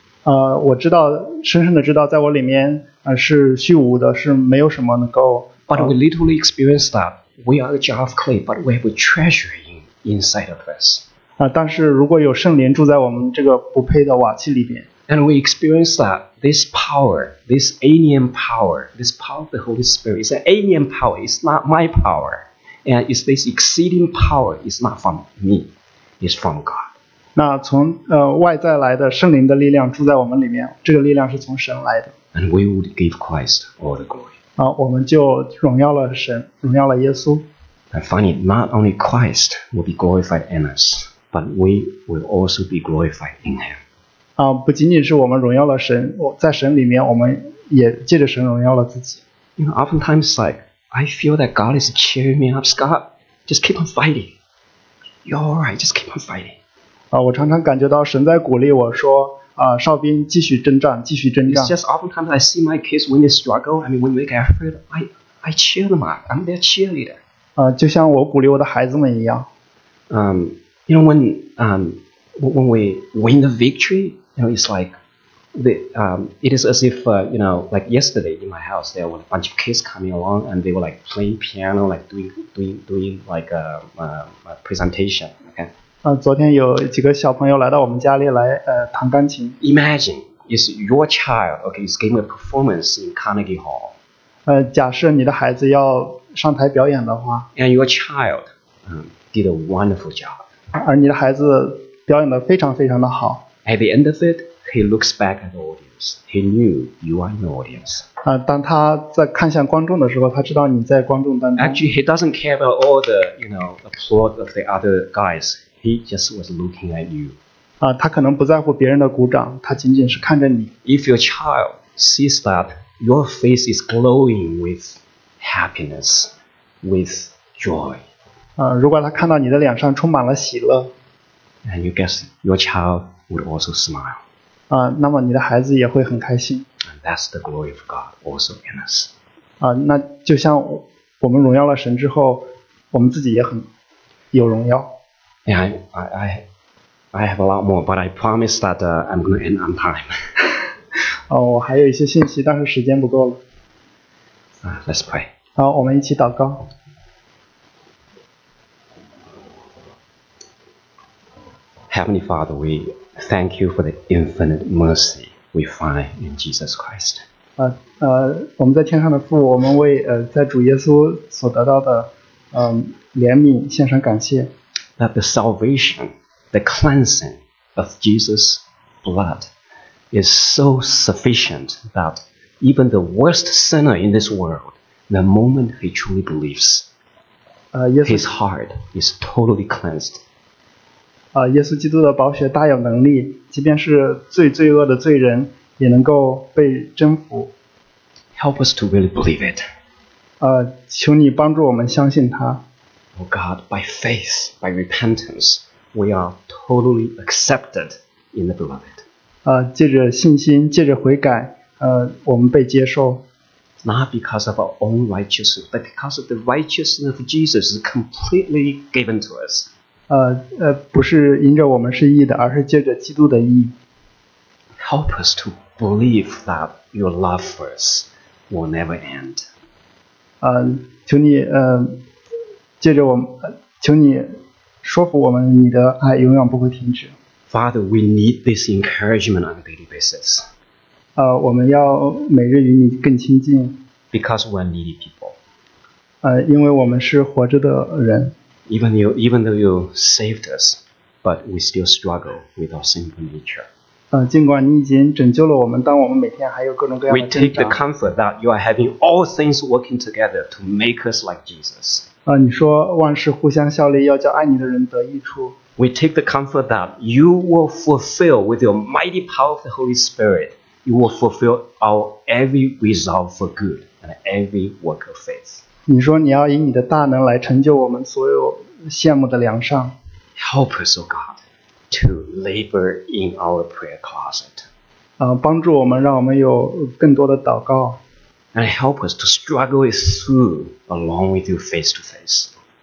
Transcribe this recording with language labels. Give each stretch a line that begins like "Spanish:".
Chinese: 我知道，深深的知道，在我里面是虚无的，是没有什么能够。
English: But we literally experience that we are a jar of clay, but we have a treasure inside of us.
Chinese: 但是如果有圣灵住在我们这个不配的瓦器里面。
English: And we experience that this power, this alien power, this power of the Holy Spirit is an alien power, it's not my power. And it's this exceeding power, it's not from me, it's from God.
Chinese: 那从外在来的圣灵的力量住在我们里面，这个力量是从神来的。
English: And we would give Christ all the glory.
Chinese: 我们就荣耀了神，荣耀了耶稣。
English: And finally, not only Christ will be glorified in us, but we will also be glorified in Him.
Chinese: 不仅仅是我们荣耀了神，在神里面，我们也借着神荣耀了自己。
English: You know, oftentimes, like I feel that God is cheering me up, Scott. Just keep on fighting. You're all right. Just keep on fighting.
Chinese: 我常常感觉到神在鼓励我说，少兵，继续征战，继续征战。
English: It's just oftentimes I see my kids when they struggle. I mean, when they get hurt, I cheer them up. I'm their cheerleader.
Chinese: 就像我鼓励我的孩子们一样。
English: You know when When we win the victory, you know, it's like, it is as if, you know, like yesterday in my house, there were a bunch of kids coming along and they were like playing piano, like doing like a presentation. Okay.
Chinese: 昨天有几个小朋友来到我们家里来弹钢琴。
English: Imagine, it's your child, okay, is giving a performance in Carnegie Hall.
Chinese: 假设你的孩子要上台表演的话。
English: And your child, did a wonderful job.
Chinese: 而你的孩子表演得非常非常的好。
English: At the end of it, he looks back at the audience. He knew you are in the audience.
Chinese: 当他在看向观众的时候，他知道你在观众当中。
English: Actually, he doesn't care about all the, you know, applaud of the other guys. He just was looking at you.
Chinese: 他可能不在乎别人的鼓掌，他仅仅是看着你。
English: If your child sees that your face is glowing with happiness, with joy.
Chinese: 如果他看到你的脸上充满了喜乐。
English: And you guess your child would also smile.
Chinese: 那么你的孩子也会很开心。
English: And that's the glory of God also in us.
Chinese: 那就像我们荣耀了神之后，我们自己也很有荣耀。
English: Yeah, I have a lot more, but I promise that I'm going to end on time.
Chinese: 我还有一些信息，但是时间不够了。
English: Let's pray.
Chinese: 好，我们一起祷告。
English: Heavenly Father, we thank you for the infinite mercy we find in Jesus Christ.
Chinese: 我们在天上的父，我们为在主耶稣所得到的怜悯献上感谢。
English: That the salvation, the cleansing of Jesus' blood is so sufficient that even the worst sinner in this world, the moment he truly believes, his heart is totally cleansed.
Chinese: 耶稣基督的宝血大有能力，即便是最罪恶的罪人也能够被征服。
English: Help us to really believe it.
Chinese: 求你帮助我们相信他。
English: Oh God, by faith, by repentance, we are totally accepted in the beloved.
Chinese: 借着信心，借着悔改，我们被接受。
English: Not because of our own righteousness, but because of the righteousness of Jesus is completely given to us.
Chinese: 不是因着我们是义的，而是借着基督的义。
English: Help us to believe that your love for us will never end.
Chinese: 求你借着我们，求你说服我们，你的爱永远不会停止。
English: Father, we need this encouragement on a daily basis.
Chinese: 我们要每日与你更亲近。
English: Because we are needy people.
Chinese: 因为我们是活着的人。
English: Even though you saved us, but we still struggle with our sinful nature.
Chinese: 尽管你已经拯救了我们，但我们每天还有各种各样的挣扎。
English: We take the comfort that you are having all things working together to make us like Jesus.
Chinese: 你说万事互相效力，要叫爱你的人得益处。
English: We take the comfort that you will fulfill with your mighty power of the Holy Spirit, you will fulfill our every resolve for good and every work of faith.
Chinese: 你说你要以你的大能来成就我们所有羡慕的良善。
English: Help us, O God, to labor in our prayer closet.
Chinese: 帮助我们，让我们有更多的祷告。
English: And help us to struggle it through along with you face to face.